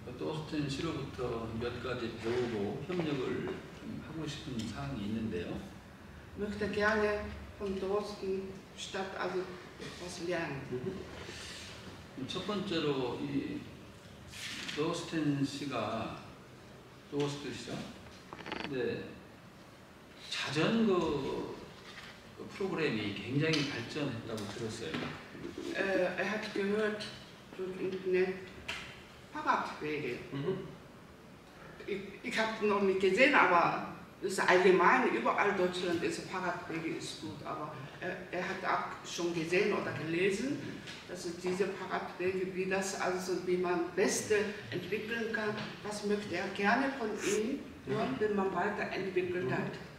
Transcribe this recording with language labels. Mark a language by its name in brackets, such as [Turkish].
[Korean] Dorsten 씨로부터 몇 가지 배우고 협력을 하고 싶은 사항이 있는데요. [German] Möchte gerne von Dorsten Stadt also etwas lernen. [Korean] 첫 번째로 이 Dorsten 씨가 Dorsten 씨죠? 네. 자전거 프로그램이 굉장히 발전했다고 들었어요. [German] Er hat gehört durch Internet Fahrradwege. Ich habe noch nicht gesehen, aber es ist allgemein überall Deutschland ist Fahrradwege ist gut. Aber er hat auch schon gesehen oder gelesen, dass diese Fahrradwege, wie das also wie man beste entwickeln kann, das möchte er gerne von ihm, wenn man weiterentwickelt hat.